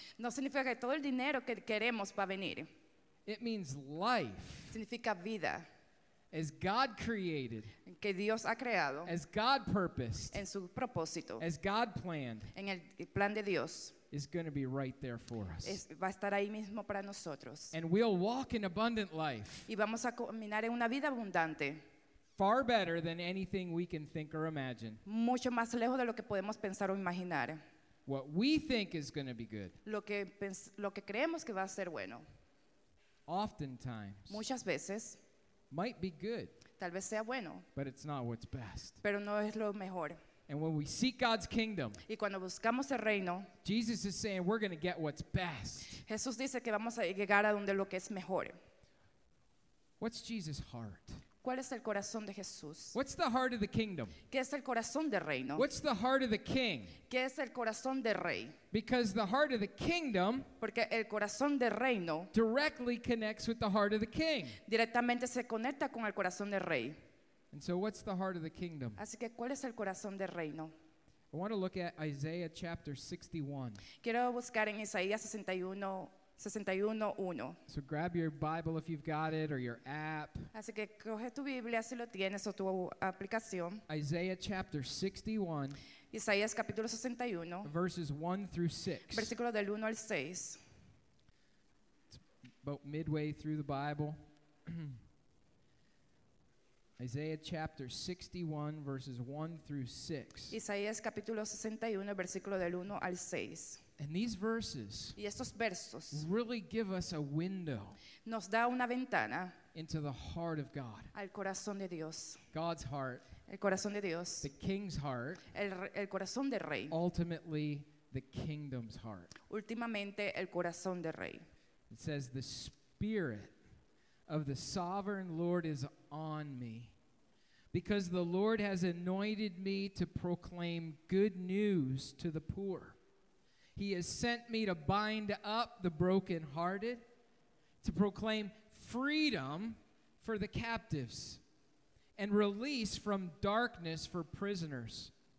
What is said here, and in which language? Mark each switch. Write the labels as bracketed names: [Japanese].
[Spanish] No significa que todo el dinero que queremos va a venir. [English] It means life. [Spanish] Significa vida. [English] As God created. [Spanish] Que Dios ha creado. [English] As God purposed. [Spanish] En su propósito. [English] As God planned. [Spanish] En el plan de Dios. [English] Is going to be right there for us. [Spanish] Es, va a estar ahí mismo para nosotros. [English] And we'll walk in abundant life. [Spanish] Y vamos a caminar en una vida abundante. [English] Far better than anything we can think or imagine. [Spanish] Mucho más lejos de lo que podemos pensar o imaginar. [English] What we think is going to be good. [Spanish] Lo que creemos que va a ser bueno. [English] Oftentimes. [Spanish] Muchas veces. [English] Might be good. [Spanish] Tal vez sea bueno. [English] But it's not what's best. [Spanish] Pero no es lo mejor. [English] And when we seek God's kingdom. [Spanish] Y cuando buscamos el reino. [English] Jesus is saying we're going to get what's best. [Spanish] Jesús dice que vamos a llegar a donde lo que es mejor. [English] What's Jesus' heart? [Spanish] ¿Cuál es el corazón de Jesús? [English] What's the heart of the kingdom? [Spanish] ¿Qué es el corazón del reino? [English] What's the heart of the king? [Spanish] ¿Qué es el corazón del rey? [English] Because the heart of the kingdom, [Spanish] porque el corazón del reino, [English] directly connects with the heart of the king. [Spanish] Directamente se conecta con el corazón del rey. [English] And so what's the heart of the kingdom? [Spanish] Así que ¿cuál es el corazón del reino? [English] I want to look at Isaiah chapter 61. [Spanish] Quiero buscar en Isaías 61:1. [English] So grab your Bible if you've got it, or your app. [Spanish] Así que coge tu Biblia si lo tienes o tu aplicación. [English] Isaiah chapter 61. [Spanish] Isaías capítulo 61. [English] Verses 1 through 6. [Spanish] Versículo del 1 al 6. [English] It's about midway through the Bible. Isaiah chapter 61 verses 1 through 6. [Spanish] Isaías capítulo 61 versículo del 1 al 6. [English] And these verses [Spanish] y estos versos [English] really give us a window [Spanish] nos da una ventana [English] into the heart of God. [Spanish] Al corazón de Dios. [English] God's heart. [Spanish] El corazón de Dios. [English] The king's heart. [Spanish] El corazón del rey. [English] Ultimately, the kingdom's heart. [Spanish] Últimamente, el corazón del rey. [English] It says, the Spirit of the Sovereign Lord is on me, because the Lord has anointed me to proclaim good news to the poor. He has sent me to bind up the brokenhearted, to proclaim freedom for the captives, and release from darkness for prisoners,